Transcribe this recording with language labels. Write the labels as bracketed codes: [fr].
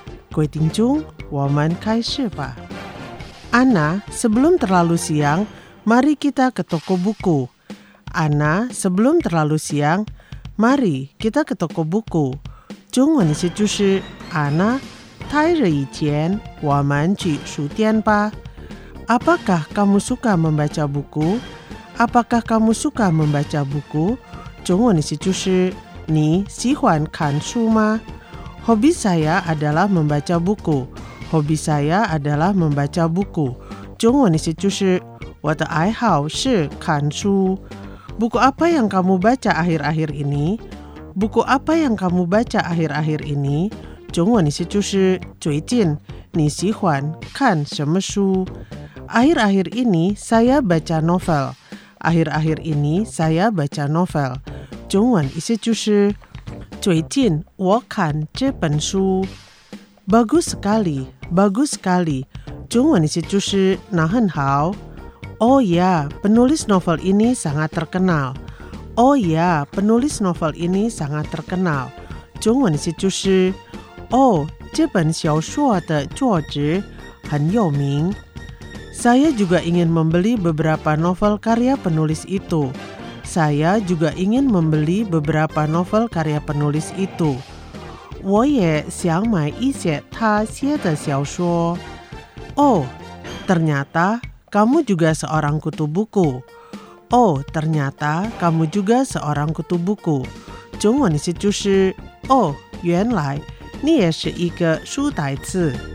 [id] 各位听众，我们开始吧。 Anna， sebelum terlalu siang mari kita ke toko buku。 Anna， sebelum terlalu siang mari kita ke toko buku。 [zh] 中文的词就是 Anna， 太热以前我们去书店吧。 [id] Apakah kamu suka membaca buku？ Apakah kamu suka membaca buku? [zh] 中文的词就是你喜欢看书吗？ [id] Hobi saya adalah membaca buku. Hobi saya adalah membaca buku. [zh] 中文的词就是我的爱好是看书。 [id] Buku apa yang kamu baca akhir-akhir ini? Buku apa yang kamu baca akhir-akhir ini? [zh] 中文的词就是最近你喜欢看什么书？ [id] Akhir-akhir ini saya baca novel. Akhir-akhir ini saya baca novel. [zh] 中文意思就是最近我看这本书。 Bagus sekali, bagus sekali. 中文意思就是那很好。 [id] Oh ya, penulis novel ini sangat terkenal. Oh ya, penulis novel ini sangat terkenal. [zh] 中文意思就是 Oh, 这本小说的作者很有名。 [id] Saya juga ingin membeli beberapa novel karya penulis itu. Saya juga ingin membeli beberapa novel karya penulis itu. [zh] 我也想买一些他写的小说。 [id] Oh, ternyata kamu juga seorang kutu buku. Oh, ternyata kamu juga seorang kutu buku. [zh] 中文的意思是 Oh, 原来你也是一个书呆子。